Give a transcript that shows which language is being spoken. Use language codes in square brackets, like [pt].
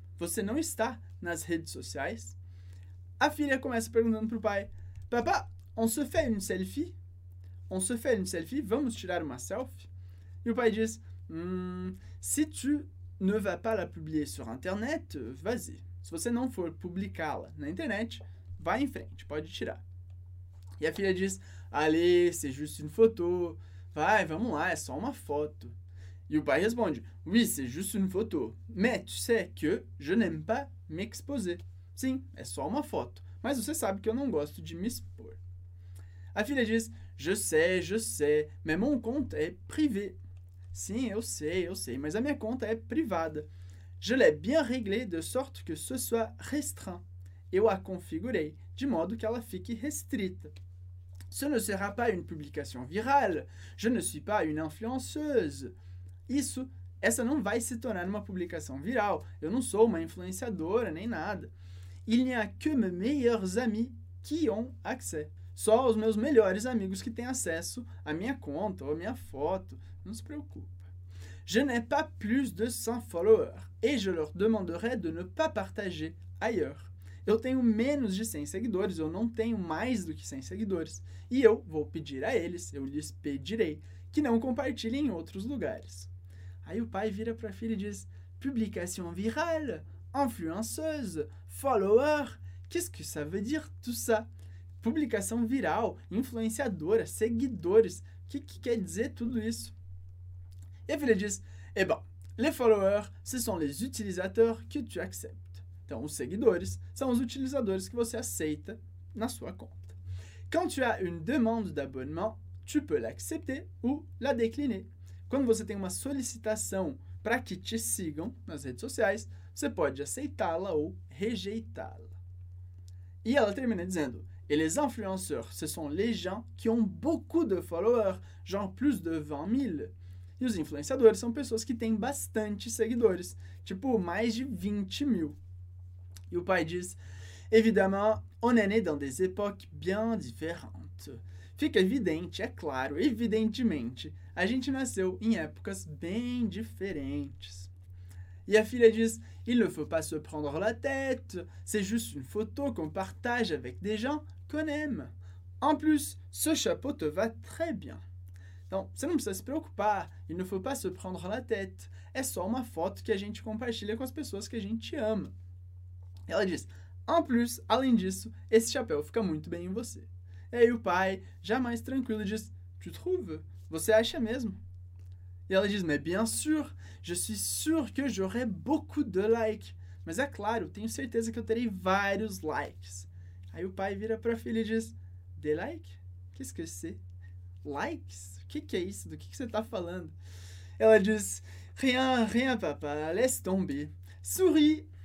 [pt] Você não está nas redes sociais? A filha começa perguntando pro pai. [fr] Papá, on se fait une selfie? On se fait une selfie? [pt] Vamos tirar uma selfie? E o pai diz. [fr] Si tu ne vas pas la publier sur internet, vas-y. [pt] Se você não for publicá-la na internet, vai em frente, pode tirar. E a filha diz. [fr] Allez, c'est juste une photo. [pt] Vai, vamos lá, é só uma foto. E o pai responde. [fr] Oui, c'est juste une photo. Mais tu sais que je n'aime pas m'exposer. [pt] Sim, é só uma foto. Mas você sabe que eu não gosto de me expor. A filha diz. [fr] Je sais, mais mon compte est privé. [pt] Sim, eu sei, mas a minha conta é privada. [fr] Je l'ai bien réglé de sorte que ce soit restreint. [pt] Eu a configurei de modo que ela fique restrita. [fr] Ce ne sera pas une publication virale. Je ne suis pas une influenceuse. [pt] Isso, essa não vai se tornar uma publicação viral. Eu não sou uma influenciadora nem nada. [fr] Il n'y a que mes meilleurs amis qui ont accès. [pt] Só os meus melhores amigos que têm acesso à minha conta ou à minha foto. Não se preocupe. [fr] Je n'ai pas plus de 100 followers et je leur demanderai de ne pas partager ailleurs. [pt] Eu tenho menos de 100 seguidores, eu não tenho mais do que 100 seguidores. E eu vou pedir a eles, eu lhes pedirei, que não compartilhem em outros lugares. Aí o pai vira para a filha e diz, [fr] publication virale, influenceuse, follower, qu'est-ce que ça veut dire tout ça? [pt] Publicação viral, influenciadora, seguidores, o que quer dizer tudo isso? E a filha diz, [fr] eh bien, les followers, ce sont les utilisateurs que tu acceptes. [pt] Então, os seguidores são os utilizadores que você aceita na sua conta. [fr] Quand tu as une demande d'abonnement, tu peux l'accepter ou la décliner. [pt] Quando você tem uma solicitação para que te sigam nas redes sociais, você pode aceitá-la ou rejeitá-la. E ela termina dizendo, [fr] et les influenceurs, ce sont les gens qui ont beaucoup de followers, genre plus de 20 000. [pt] E os influenciadores são pessoas que têm bastante seguidores, tipo mais de 20 mil. E o pai diz, [fr] évidemment, on est né dans des époques bien différentes. [pt] Fica evidente, é claro, evidentemente, a gente nasceu em épocas bem diferentes. E a filha diz, [fr] il ne faut pas se prendre la tête, c'est juste une photo qu'on partage avec des gens qu'on aime. En plus, ce chapeau te va très bien. [pt] Então, você não precisa se preocupar, [fr] il ne faut pas se prendre la tête, [pt] é só uma foto que a gente compartilha com as pessoas que a gente ama. Ela diz, [fr] en plus, [pt] além disso, esse chapéu fica muito bem em você. E aí o pai, já mais tranquilo, diz, [fr] tu trouves? [pt] Você acha mesmo? E ela diz, [fr] mais bien sûr, je suis sûr que j'aurai beaucoup de likes. [pt] Mas é claro, tenho certeza que eu terei vários likes. Aí o pai vira para a filha e diz, [fr] de like? Qu'est-ce que c'est? [pt] Likes? O que é isso? Do que você está falando? Ela diz, [fr] rien, papa, laisse tomber. Souris.